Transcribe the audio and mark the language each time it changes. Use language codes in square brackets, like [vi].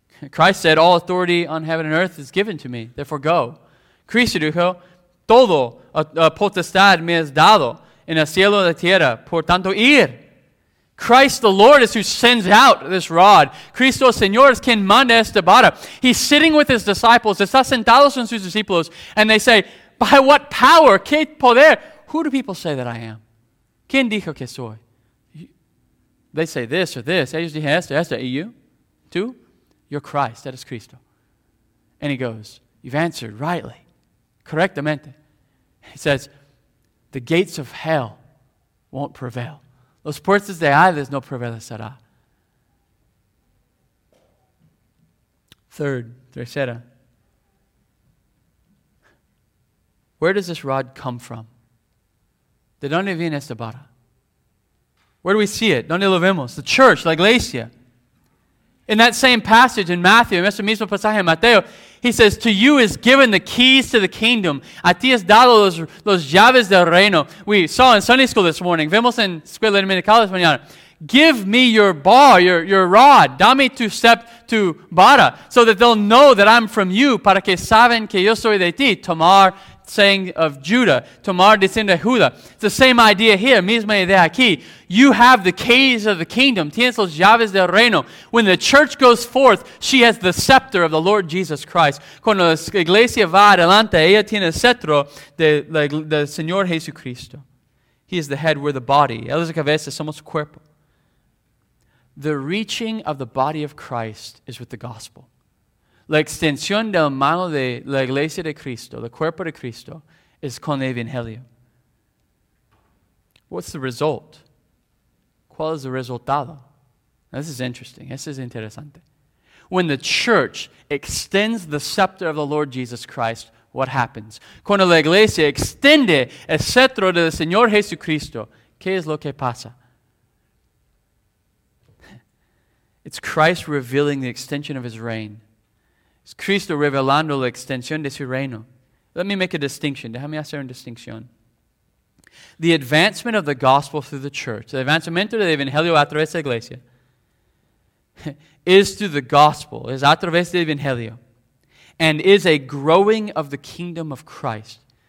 [en] Christ said, all authority on heaven and earth is given to me, therefore go. [es] Cristo dijo, todo potestad me es dado en el cielo y la tierra. Por tanto, ir. [en] Christ the Lord is who sends out this rod. [es] Cristo Señor es quien manda esta vara. [en] He's sitting with his disciples. [es] Está sentado con sus discípulos. [en] And they say, by what power? [es] ¿Qué poder? [en] Who do people say that I am? [es] ¿Quién dijo que soy? [en] They say this or this. [es] Ellos dijeron esto, esto. [en] ¿Y you? [es] ¿Tú? [en] You're Christ. That is Cristo. And he goes, you've answered rightly. [es] Correctamente. [en] He says, the gates of hell won't prevail. [es] Los puertos de Hades no prevalecerá. [en] Third, [es] tercera. [en] Where does this rod come from? [es] ¿De dónde viene esta vara? [en] Where do we see it? [es] ¿Dónde lo vemos? [en] The church, [es] la iglesia. [en] In that same passage in Matthew, [es] en ese mismo pasaje en Mateo, [en] he says, to you is given the keys to the kingdom. [es] A ti es dado los llaves del reino. [en] We saw in Sunday school this morning, [es] vemos en Escuela Dominical [en] this mañana, give me your bar, your rod, [es] dame tu step, tu vara, [en] so that they'll know that I'm from you, [es] para que saben que yo soy de ti. Tomar, [en] saying of Judah, [es] tomar diciendo de Judah. [en] It's the same idea here, [es] misma idea aquí. [en] You have the keys of the kingdom. [es] Tienes los llaves del reino. [en] When the church goes forth, she has the scepter of the Lord Jesus Christ. [es] Cuando la iglesia va adelante, ella tiene el cetro del Señor Jesucristo. [en] He is the head, we're the body. [es] Él es la cabeza, somos cuerpo. [en] The reaching of the body of Christ is with the gospel. [es] La extensión del mano de la iglesia de Cristo, el cuerpo de Cristo, es con el evangelio. [en] What's the result? [es] ¿Cuál es el resultado? [en] Now, this is interesting. This is interesante. When the church extends the scepter of the Lord Jesus Christ, what happens? [es] Cuando la iglesia extiende el cetro del Señor Jesucristo, ¿qué es lo que pasa? [en] It's Christ revealing the extension of his reign. [es] Es Cristo revelando la extensión de su reino. [en] Let me make a distinction. [es] Déjame hacer una distinción. [en] The advancement of the gospel through the church, [es] el avanzamiento del evangelio a través de la iglesia, [en] is through the gospel, [es] es a través del evangelio, [en] and is a growing of the kingdom of Christ.